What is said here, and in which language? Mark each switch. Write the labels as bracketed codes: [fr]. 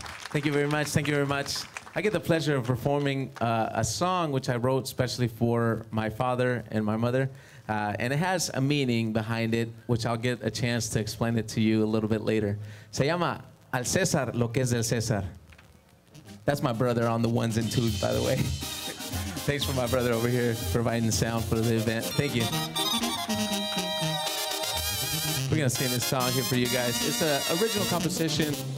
[en] Thank you very much. Thank you very much. I get the pleasure of performing a song which I wrote especially for my father and my mother. And it has a meaning behind it, which I'll get a chance to explain it to you a little bit later. [es] Se llama Al César lo que es del César. [en] That's my brother on the ones and twos, by the way. Thanks for my brother over here providing the sound for the event. Thank you. We're going to sing this song here for you guys. It's an original composition.